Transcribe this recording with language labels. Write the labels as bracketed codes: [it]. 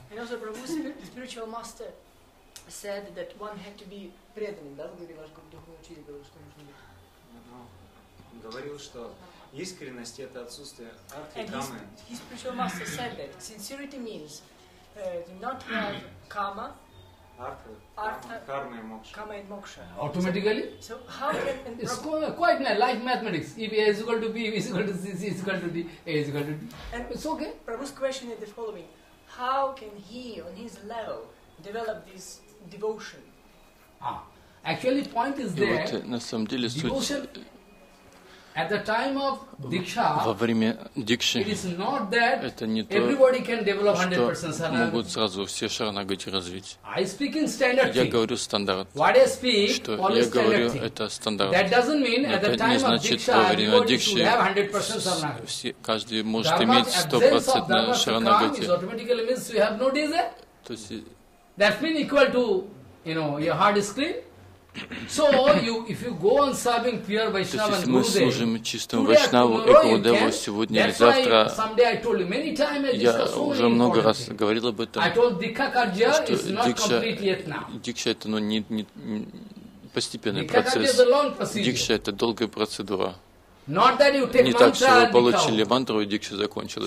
[en] And also Prabhu's spiritual master said that one had to be [ru] преданным. Да, вы говорили, ваш духовный учитель говорил, что нужно. Говорил, что искренность это отсутствие артхи камы. [en] And his spiritual master said that sincerity means not have karma. Prabhu's question is the following: how can he, on his level, develop this devotion? Actually, point is there. [ru] Вот, на самом деле, [en] devotion at the time of diksha. [ru] Во время дикши. [en] It is not that everybody can develop 100% sarana. [ru] Могут сразу все шаранагати развить. [en] I speak in standard. [ru] Я говорю стандарт. [en] What I speak, [ru] что я говорю, это стандарт. [en] That doesn't mean at the time of diksha. [ru] Во время дикши. [en] Have 100% sarana. [ru] Все, каждый может иметь 100% шаранагати. [en] Automatically means we have no desire. [ru] То есть. [en] That means equal to you know, your heart is clean. So you, if you go on serving pure Vaishnava [ru] мы служим чистому Вайшнаву и Гурудеву сегодня или завтра, я уже много раз говорил об этом, что дикша это постепенный процесс. Дикша это долгая процедура. Не так, что вы получили мантру, и дикша закончилась.